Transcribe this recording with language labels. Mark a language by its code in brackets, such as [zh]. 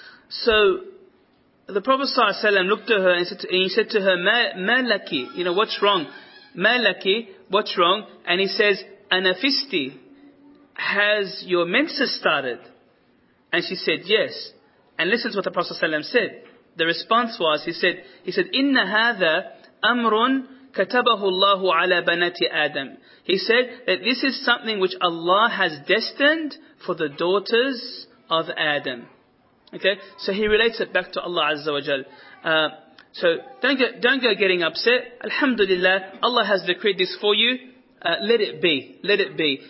[en] So the Prophet sallallahu alayhi wa sallam looked at her and he said to her, [ar] ma laki, [en] you know, what's wrong? [ar] Ma laki, [en] what's wrong? And he says, [ar] anafisti, [en] has your menses started? And she said, yes. And listen to what the Prophet ﷺ said. The response was, he said, [ar] إِنَّ هَذَا أَمْرٌ كَتَبَهُ اللَّهُ عَلَى بَنَاتِ آدَمٍ. [en] He said that this is something which Allah has destined for the daughters of Adam. Okay, so he relates it back to Allah Azza wa Jal. So don't go getting upset. Alhamdulillah, Allah has decreed this for you. Let it be.